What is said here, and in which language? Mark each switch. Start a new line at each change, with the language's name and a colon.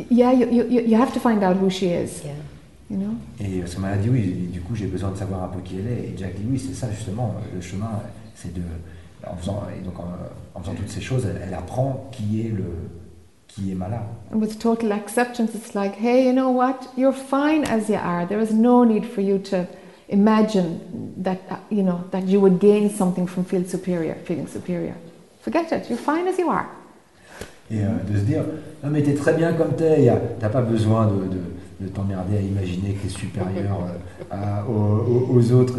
English: Yeah, you have to find out who she is. Yeah. You know?
French: Et parce que Mala dit oui, du coup j'ai besoin de savoir un peu qui elle est. Et Jack dit oui, c'est ça justement, le chemin, c'est de... En faisant toutes ces choses, elle apprend qui est Mala.
English: And with total acceptance, it's like, hey, you know what? You're fine as you are. There is no need for you to... Imagine that you know that you would gain something from feeling superior. Forget it. You're fine as you are.
French: Et de se dire, non mais t'es très bien comme t'es. T'as pas besoin de t'emmerder à imaginer que t'es supérieur aux autres.